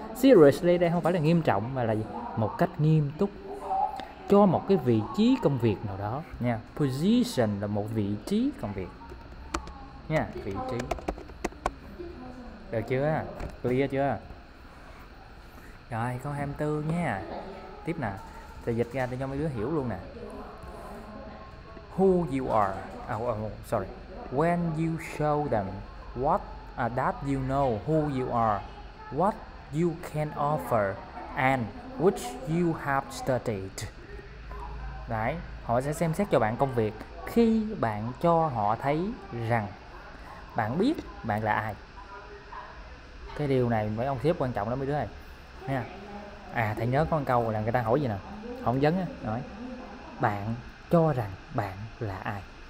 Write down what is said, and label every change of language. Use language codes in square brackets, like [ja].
[vi] Seriously đây không phải là nghiêm trọng mà là gì? Một cách nghiêm túc cho một cái vị trí công việc nào đó nha. Position là một vị trí công việc nha, vị trí, được chưa? Clear chưa? Rồi câu 24 nha, tiếp nè, thầy dịch ra để cho mấy đứa hiểu luôn nè. [en] Who you are, sorry, when you show them what that you know who you are, what you can offer and which you have studied. [vi] Đấy, họ sẽ xem xét cho bạn công việc khi bạn cho họ thấy rằng bạn biết bạn là ai. Cái điều này mấy ông sếp quan trọng lắm mấy đứa ơi. Nha. À thầy nhớ có một câu là người ta hỏi gì nè, phỏng vấn á, nói bạn cho rằng bạn là ai.